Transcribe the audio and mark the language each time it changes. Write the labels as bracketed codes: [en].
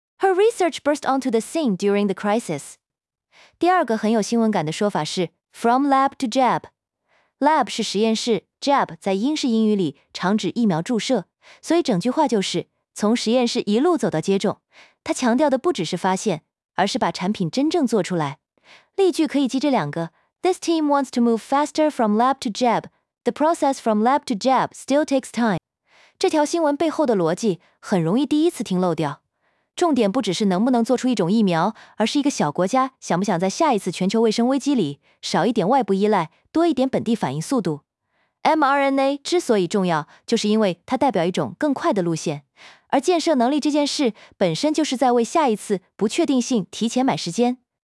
[en] Her research burst onto the scene during the crisis. [zh] 第二个很有新闻感的说法是 [en] from lab to jab。 [zh] lab 是实验室， jab 在英式英语里常指疫苗注射，所以整句话就是从实验室一路走到接种。他强调的不只是发现，而是把产品真正做出来。例句可以记这两个， [en] This team wants to move faster from lab to jab. The process from lab to jab still takes time. [zh] 这条新闻背后的逻辑很容易第一次听漏掉，重点不只是能不能做出一种疫苗，而是一个小国家想不想在下一次全球卫生危机里少一点外部依赖，多一点本地反应速度。 mRNA 之所以重要，就是因为它代表一种更快的路线，而建设能力这件事本身就是在为下一次不确定性提前买时间。